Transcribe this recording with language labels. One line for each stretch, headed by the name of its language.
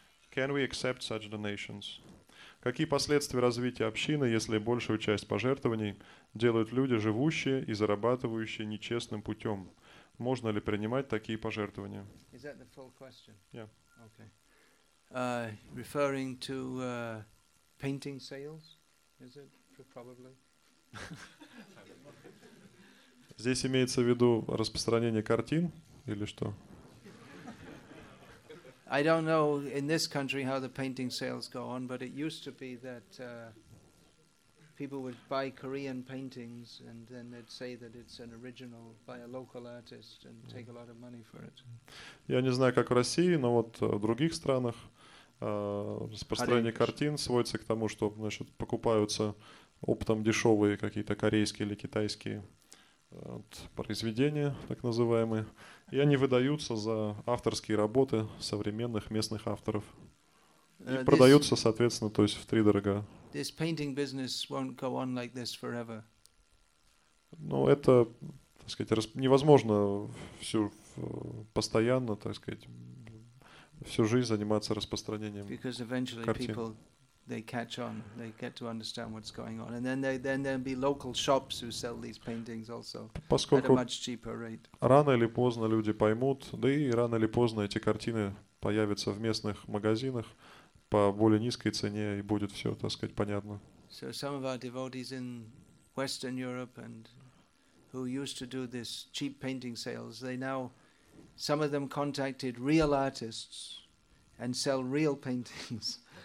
English: Can we accept such donations?
Russian: Какие последствия развития общины, если большую часть пожертвований делают люди, живущие и зарабатывающие нечестным путем? Можно ли принимать такие пожертвования?
English: Is that the full question? Yeah. Okay. Referring to painting sales, is it? Probably.
Russian: Здесь имеется в виду распространение картин или что?
English: I don't know in this country how the painting sales go on, but it used to be that people would buy Korean paintings and then they'd say that it's an original by a local artist and take a lot of money for it.
Russian: Я не знаю, как в России, но вот в других странах распространение картин сводится к тому, что, значит, покупаются оптом дешевые какие-то корейские или китайские произведения, так называемые. И они выдаются за авторские работы современных местных авторов. И продаются, соответственно, то есть втридорога.
English: This painting business won't go on like this forever.
Russian: Ну, это, так сказать, невозможно всю постоянно, так сказать, всю жизнь заниматься распространением.
English: Because eventually
Russian: картин.
English: People they catch on, they get to understand what's going on. And then there'll be local shops who sell these paintings also at a much cheaper rate.
Russian: Рано или поздно люди поймут, да и рано или поздно эти картины появятся в местных магазинах по более низкой цене, и будет все, так сказать, понятно.
English: So some of our devotees in Western Europe and who used to do this cheap painting sales, they now, some of them contacted real artists and sell real paintings.